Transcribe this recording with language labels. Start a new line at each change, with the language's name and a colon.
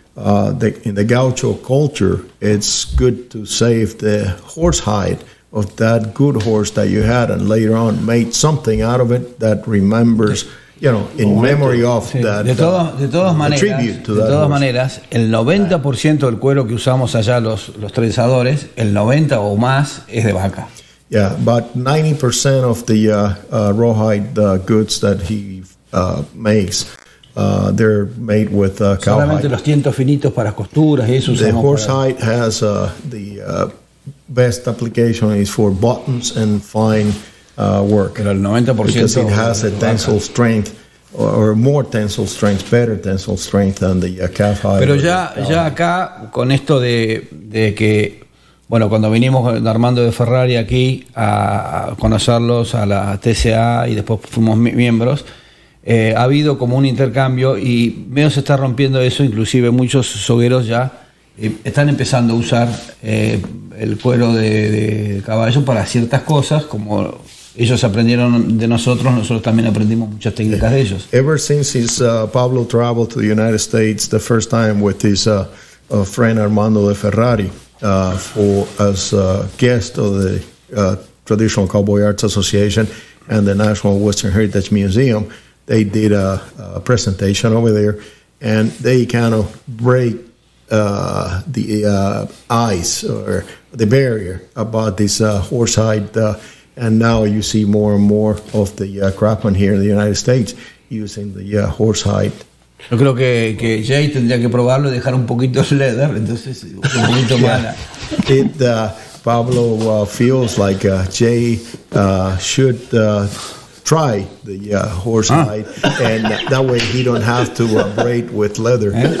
English: In the gaucho culture, it's good to save the horse hide of that good horse that you had and later on made something out of it that remembers, you know, in memory of that.
Spanish: De todas maneras, el 90% del cuero que usamos allá los trenzadores, el 90 o más, es de vaca.
English: Yeah, but 90% of the rawhide goods that he makes, they're made with cowhide.
Spanish: Solamente los tientos finitos para costuras, y eso usamos.
English: The horse hide has the best application is for buttons and fine work.
Spanish: Pero el 90%
English: because it has a tensile strength or more tensile strength, better tensile strength than the calf hide.
Spanish: Pero ya acá con esto de que bueno, cuando vinimos Armando de Ferrari aquí a conocerlos a la TCA y después fuimos miembros, ha habido como un intercambio y medio se está rompiendo eso, inclusive muchos sogueros ya están empezando a usar el cuero de caballo para ciertas cosas, como ellos aprendieron de nosotros, nosotros también aprendimos muchas técnicas de ellos.
English: Ever since his, Pablo traveled to the United States the first time with his friend Armando de Ferrari, for as a guest of the Traditional Cowboy Arts Association and the National Western Heritage Museum, they did a presentation over there, and they kind of break the ice or the barrier about this horse hide, and now you see more and more of the crapman here in the United States using the horse hide.
Spanish: Yo creo que Jay tendría que probarlo y dejar un poquito de leather, entonces un poquito yeah. Mala.
English: It, Pablo feels like Jay should try the horse hide, and that way he don't have to braid with leather.